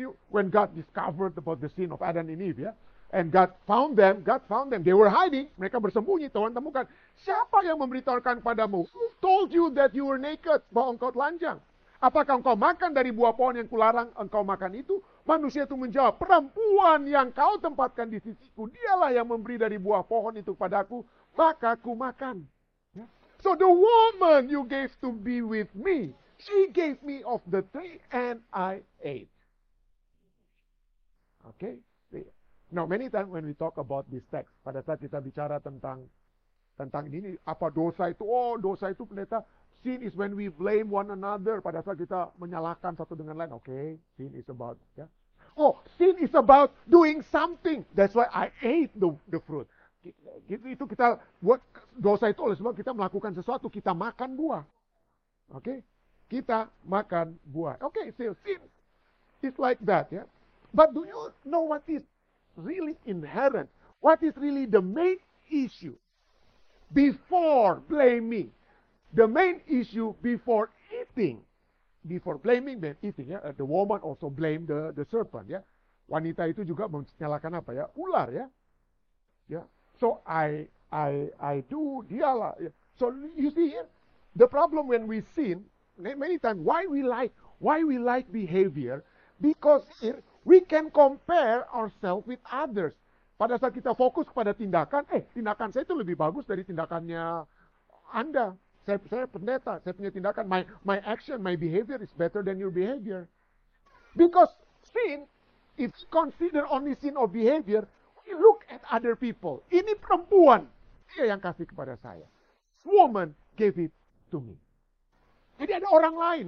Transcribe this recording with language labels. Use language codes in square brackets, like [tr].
[en] When God discovered about the sin of Adam and Eve, yeah? And God found them. They were hiding. [id] Mereka bersembunyi. Tuhan temukan. Siapa yang memberitahukan padamu? [en] Who told you that you were naked? [id] Bahwa engkau telanjang. Apakah engkau makan dari buah pohon yang kularang engkau makan itu? Manusia itu menjawab, perempuan yang kau tempatkan di sisiku, dialah yang memberi dari buah pohon itu padaku. Maka ku makan. [en] So the woman you gave to be with me, she gave me of the tree and I ate. Okay? Now, many times when we talk about this text, [id] pada saat kita bicara tentang ini, apa dosa itu? [en] Oh, [id] dosa itu pendeta. [en] Sin is when we blame one another. [id] Pada saat kita menyalahkan satu dengan lain. [en] Okay, sin is about, yeah. Oh, sin is about doing something. That's why I ate the fruit. [id] Itu kita buat dosa itu oleh sebab kita melakukan sesuatu. Kita makan buah. Okay? Kita makan buah. [en] Okay, so sin is like that, yeah. But do you know what is really inherent, what is really the main issue before blaming? The main issue before eating, before blaming then eating, yeah? The woman also blamed the serpent, yeah. [id] Wanita itu juga menyalahkan apa ya? Ular, ya. [en] Yeah. So I do dialah. Yeah. So you see here, the problem when we sin, many times why we like behavior, because here we can compare ourselves with others. [id] Pada saat kita fokus kepada tindakan, tindakan saya itu lebih bagus dari tindakannya Anda. Saya pendeta, saya punya tindakan. [en] My action, my behavior is better than your behavior. Because sin, it's considered only sin of behavior. We look at other people. [id] Ini perempuan, dia yang kasih kepada saya. [en] Woman gave it to me. [id] Jadi ada orang lain.